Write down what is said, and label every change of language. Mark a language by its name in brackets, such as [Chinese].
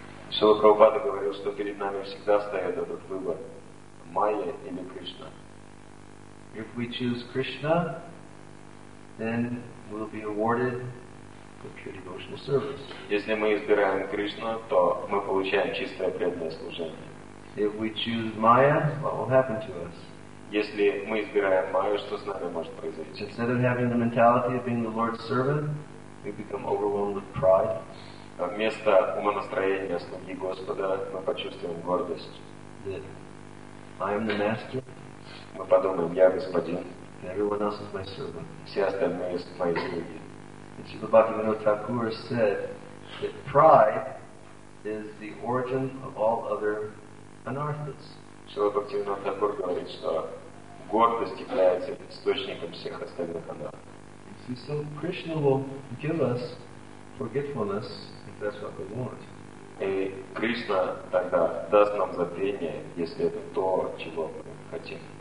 [Russian] Шрила Прабхупада говорил, что перед нами всегда стоит этот выбор: Майя или Кришна. [English] If we choose Krishna, then we'll be awarded the pure devotional service. [Russian] Если мы избираем Кришну, то мы получаем чистое преданное служение. [English] If we choose Maya, what will happen to us? [Russian] Если мы избираем Майю, что с нами может произойти? [English] Instead of having the mentality of being the Lord's servant, we become overwhelmed with pride. [Russian] Вместо умонастроения слуги Господа мы почувствуем гордость. [English] I am the master. [Russian] Мы подумаем, я господин. [English] Everyone else is my servant. [Russian] Все остальные мои слуги. [English] And Srila Bhaktivinoda Thakur said that pride is the origin of all other anarthas. [Russian] Шрила Бхактивинода Тхакур говорит, что гордость является источником всех остальных анарт. [English] So Krishna will give us forgetfulness if that's what we want. [Russian] И Кришна тогда даст нам забвение, если это то, чего мы хотим.